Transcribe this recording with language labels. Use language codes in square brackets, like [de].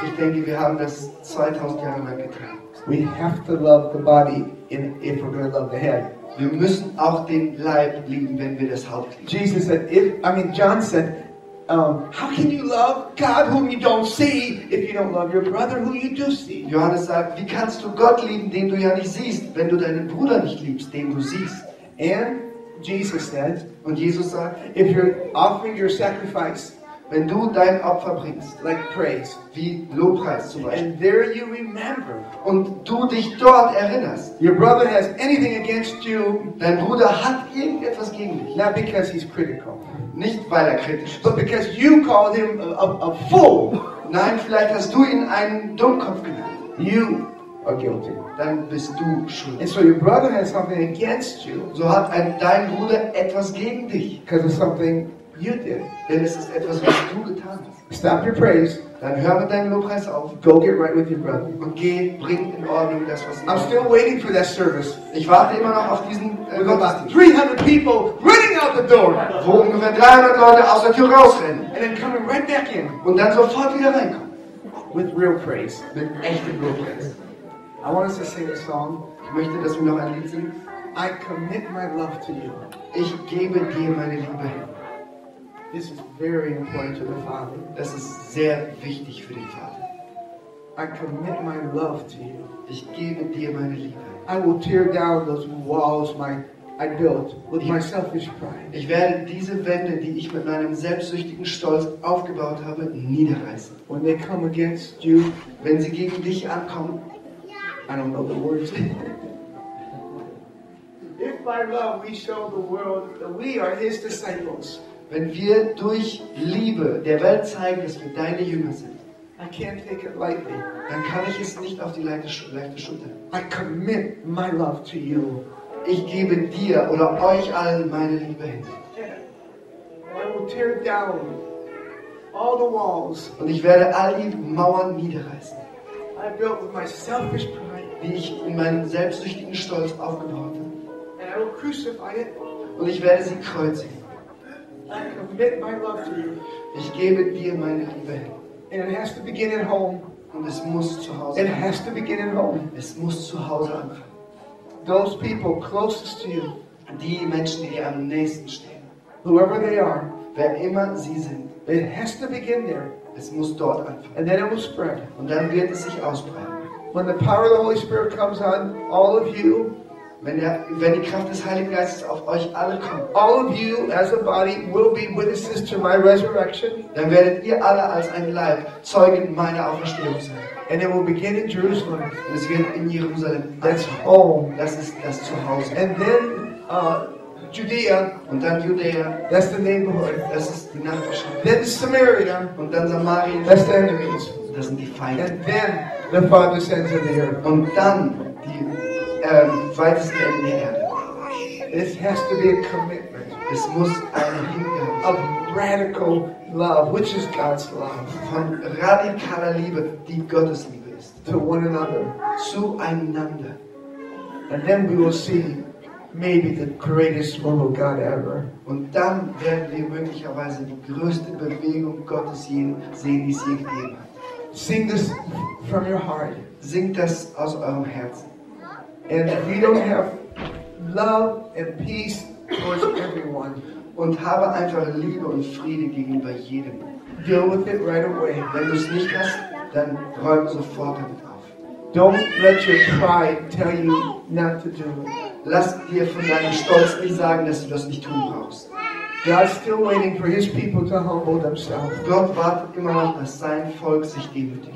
[de] Ich denke, wir haben das 2000 Jahre lang getan. [en] We have to love the body if we're going to love the head. [de] Wir müssen auch den Leib lieben, wenn wir das Haupt lieben. [en] Jesus said, John said, how can you love God whom you don't see if you don't love your brother who you do see? [de] Johannes sagt, wie kannst du Gott lieben, den du ja nicht siehst, wenn du deinen Bruder nicht liebst, den du siehst? [en] And Jesus said, [de] und Jesus sagt, [en] if you're offering your sacrifice, [de] wenn du dein Opfer bringst, [en] like praise, [de] wie Lobpreis zum Beispiel, [en] and there you remember, [de] und du dich dort erinnerst, [en] your brother has anything against you, [de] dein Bruder hat irgendetwas gegen dich, [en] not because he's critical, [de] nicht weil kritisch, [en] but because you called him a fool, [de] nein, vielleicht hast du ihn einen Dummkopf genannt, [en] you are guilty, [de] dann bist du schuld. [en] And so your brother has something against you, [de] so hat dein Bruder etwas gegen dich, [en] because of something you did. [de] Denn es ist etwas, was du getan hast. [en] Stop your praise. [de] Dann hör mit deinem Lobpreis auf. [en] Go get right with your brother. [de] Und geh, bring in Ordnung das, was [en] du I'm still waiting for that service. [de] Ich warte immer noch auf diesen [en] Gottesdienst. 300 people running out the door. [de] Wo ungefähr 300 Leute aus der Tür rausrennen. [en] And then coming right back in. [de] Und dann sofort wieder reinkommen. [en] With real praise. [de] Mit echtem Lobpreis. [en] I want us to sing a song. [de] Ich möchte, dass wir noch ein Lied singen. [en] I commit my love to you. [de] Ich gebe dir meine Liebe hin. [en] This is very important to the Father. [de] Das ist sehr wichtig für den Vater. [en] I commit my love to you. [de] Ich gebe dir meine Liebe. [en] I will tear down those walls I built with my selfish pride. [de] Ich werde diese Wände, die ich mit meinem selbstsüchtigen Stolz aufgebaut habe, niederreißen. [en] When they come against you, [de] wenn sie gegen dich ankommen, [en] I don't know the words. If by love we show the world that we are his disciples, [de] wenn wir durch Liebe der Welt zeigen, dass wir deine Jünger sind, [en] I can't take it lightly. [de] Dann kann ich es nicht auf die leichte Schulter. [en] I commit my love to you. [de] Ich gebe dir oder euch allen meine Liebe hin. [en] I will tear down all the walls. [de] Und ich werde all die Mauern niederreißen, [en] I built with my selfish pride, [de] die ich in meinem selbstsüchtigen Stolz aufgebaut habe. [en] And I will crucify it. [de] Und ich werde sie kreuzigen. [en] I commit my love to you. [de] Ich gebe dir meine Liebe. [en] And it has to begin at home. [de] Und es muss zu Hause. [en] It has to begin at home. [de] Es muss zu Hause anfangen. [en] Those people closest to you. [de] Die Menschen, die dir am nächsten stehen. [en] Whoever they are. [de] Wer immer sie sind. [en] It has to begin there. [de] Es muss dort anfangen. [en] And then it will spread. [de] Und dann wird es sich ausbreiten. [en] When the power of the Holy Spirit comes on all of you. [de] Wenn die Kraft des Heiligen Geistes auf euch alle kommt, [en] all of you as a body will be witnesses to my resurrection. [de] Dann werdet ihr alle als ein Leib Zeugen meiner Auferstehung sein. [en] And it will begin in Jerusalem. [de] Und es wird in Jerusalem. [en] That's home. [de] Das ist das Zuhause. [en] And then Judea. [de] Und dann Judea. [en] That's the neighborhood. [de] Das ist die Nachbarschaft. [en] Then Samaria. [de] Und dann Samaria. [en] That's the enemies. [de] Das sind die Feinde. [en] And then the Father sends them here. [de] Und dann die weitesten Ende der Erde. [en] This has to be a commitment. [de] Es muss eine Hingabe [en] of radical love, which is God's love. [de] Von radikaler Liebe, die Gottes Liebe ist. [en] to one another, [de] zueinander. [en] And then we will see maybe the greatest move of God ever. [de] Und dann werden wir möglicherweise die größte Bewegung Gottes sehen, die sie gegeben hat. [en] Sing this from your heart. [de] Sing das aus eurem Herzen. [en] And if we don't have love and peace towards everyone, [de] und habe einfach Liebe und Friede gegenüber jedem. [en] Deal with it right away. [de] Wenn du es nicht hast, dann räum sofort damit auf. [en] Don't let your pride tell you not to do it. [de] Lass dir von deinem Stolz nicht sagen, dass du das nicht tun brauchst. [en] God's still waiting for his people to humble themselves. [de] Gott wartet immer noch, dass sein Volk sich demütigt.